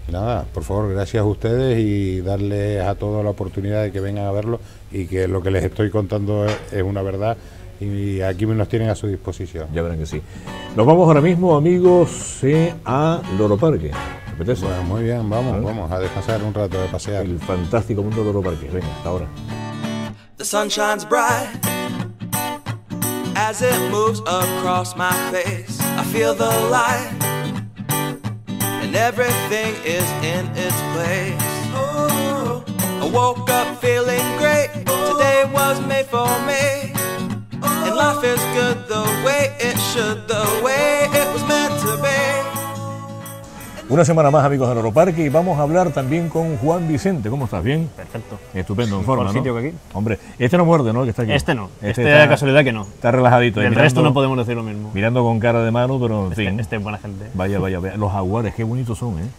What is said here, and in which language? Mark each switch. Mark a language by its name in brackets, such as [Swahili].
[Spanish] Nada, por favor, gracias a ustedes y darles a todos la oportunidad de que vengan a verlo y que lo que les estoy contando es una verdad y aquí nos tienen a su disposición. Ya verán que sí. Nos vamos ahora mismo, amigos, a Loro Parque. ¿Te apetece? Bueno, muy bien, vamos, ¿vale? Vamos a descansar un rato, a pasear. El fantástico mundo de Loro Parque. Venga, hasta ahora. [English] The sun shines bright as it moves across my face. I feel the light. And everything is in its place. Ooh. I woke up feeling great. Ooh. Today was made for me. Ooh. And life is good the way it should, the way it was meant to be. [Spanish] Una semana más, amigos de Loro Parque, y vamos a hablar también con Juan Vicente. ¿Cómo estás? ¿Bien? Perfecto. Estupendo, en forma, ¿no? Sitio que aquí. Hombre, este no muerde, ¿no? Que está aquí. Este no. Este está, de casualidad que no. Está relajadito. Del resto no podemos decir lo mismo. Mirando con cara de mano, pero en fin. Este es buena gente. Vaya. Los jaguares, qué bonitos son, ¿eh?